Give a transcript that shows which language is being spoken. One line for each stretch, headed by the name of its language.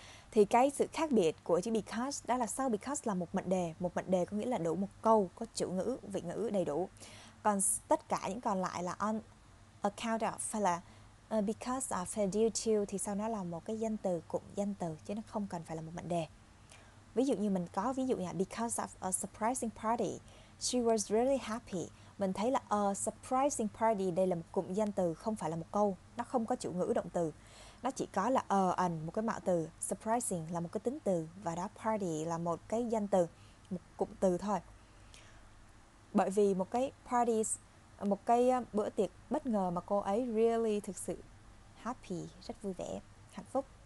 Vietnamese: Thì cái sự khác biệt của chữ because đó là sau because là một mệnh đề. Một mệnh đề có nghĩa là đủ một câu, có chủ ngữ, vị ngữ đầy đủ. Còn tất cả những còn lại là
English: on account of
Vietnamese: hay là
English: because of
Vietnamese: hay
English: due to
Vietnamese: thì sau đó là một cái danh từ, cụm danh từ chứ nó không cần phải là một mệnh đề. Ví dụ như mình có ví dụ nha,
English: because of a surprising party, she was really happy.
Vietnamese: Mình thấy là
English: a surprising party,
Vietnamese: đây là một cụm danh từ, không phải là một câu. Nó không có chủ ngữ động từ. Nó chỉ có là
English: a an,
Vietnamese: một cái mạo từ. Surprising là một cái tính từ. Và đó, party là một cái danh từ, một cụm từ thôi. Bởi vì một cái party, một cái bữa tiệc bất ngờ mà cô ấy
English: really
Vietnamese: thực sự happy, rất vui vẻ, hạnh phúc.